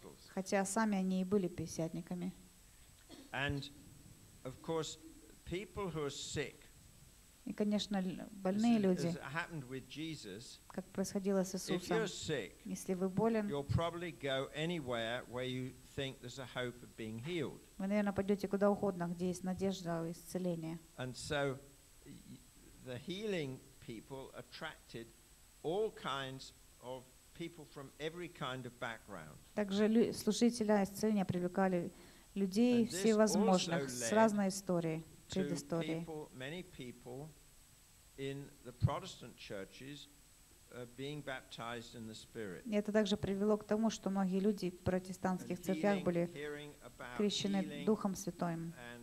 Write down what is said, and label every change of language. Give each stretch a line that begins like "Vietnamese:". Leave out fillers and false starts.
Russian: Хотя сами они и были пятидесятниками.
English: And of course, people who are sick.
Russian: И, конечно, больные люди.
English: As happened with Jesus.
Russian: Как происходило с Иисусом. Если вы болен,
English: you'll probably go anywhere where you think there's a hope of being healed.
Russian: Вы, наверное, пойдете куда угодно, где есть надежда исцеления.
English: And so the healing people attracted all kinds of people from every kind of background.
Russian: Также служители исцеления привлекали людей всевозможных, с разной историей, предысторией.
English: Many people in the Protestant churches being baptized in the Spirit.
Russian: Это также привело к тому, что многие люди в протестантских церквях были крещены Духом Святым.